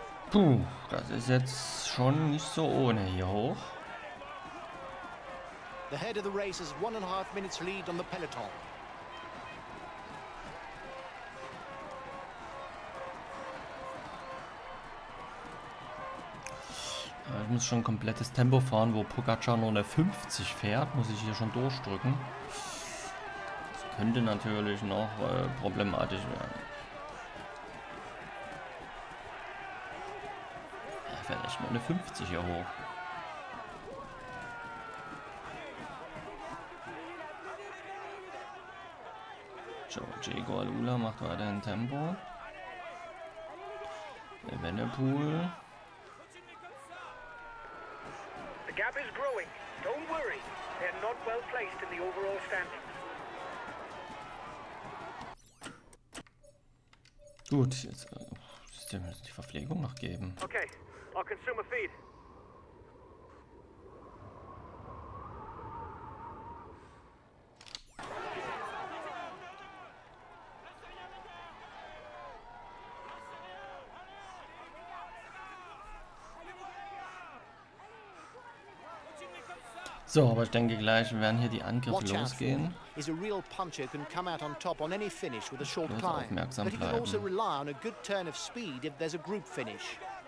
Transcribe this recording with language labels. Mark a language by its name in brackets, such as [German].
[German] Puh, das ist jetzt schon nicht so ohne hier hoch. [English] The head of the race has 1.5 minutes lead on the peloton. [German] Ich muss schon ein komplettes Tempo fahren, wo Pogacar nur eine 50 fährt, muss ich hier schon durchdrücken. Das könnte natürlich noch problematisch werden. Er fährt echt nur eine 50 hier hoch. Diego Alula macht weiter ein Tempo. Evenepoel. [English] Gap is growing. Don't worry. They're not well placed in the overall standings. [German] Gut, jetzt müssen wir die Verpflegung noch geben. [English] Okay, I'll consume a feed. [German] So, aber ich denke gleich, wir werden hier die Angriffe losgehen. [English] Is a real puncher can come out on top on any finish with a short climb. But he can also rely on a good turn of speed if there's a group finish.